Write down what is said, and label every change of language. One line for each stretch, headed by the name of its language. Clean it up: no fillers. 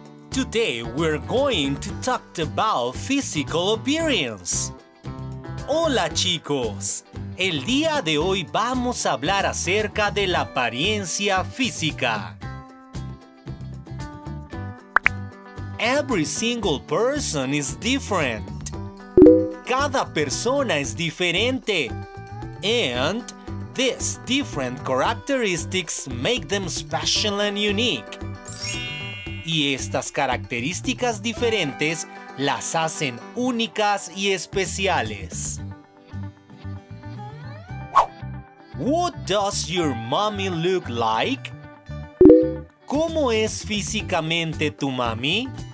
English: Today we're going to talk about physical appearance.
Spanish: Hola, chicos. El día de hoy vamos a hablar acerca de la apariencia física.
English: Every single person is different.
Spanish: Cada persona es diferente.
English: And these different characteristics make them special and unique.
Spanish: Y estas características diferentes las hacen únicas y especiales.
English: What does your mommy look like?
Spanish: ¿Cómo es físicamente tu mami?